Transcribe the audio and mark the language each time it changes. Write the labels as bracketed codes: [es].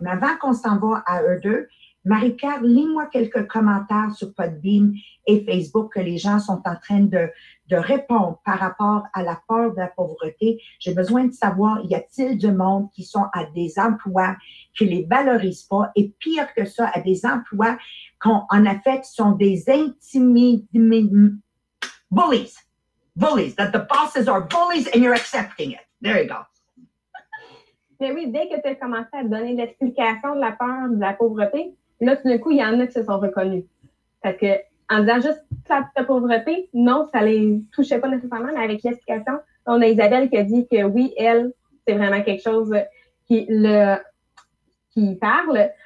[fr] Mais avant qu'on s'en va à eux deux, Marie-Pierre, lis-moi quelques commentaires sur Podbean et Facebook que les gens sont en train de répondre par rapport à la peur de la pauvreté. J'ai besoin de savoir, y a-t-il du monde qui sont à des emplois qui ne les valorisent pas et pire que ça, à des emplois qu'on en a fait sont des bullies. [en] Bullies, that the bosses are bullies and you're accepting it. There you go. [fr] Mais oui, dès que tu as commencé à donner l'explication de la peur de la pauvreté, là, tout d'un coup, il y en a qui se sont reconnus. Parce que en disant juste la pauvreté, non, ça ne les touchait pas nécessairement, mais avec l'explication, on a Isabelle qui a dit que oui, elle, c'est vraiment quelque chose qui parle.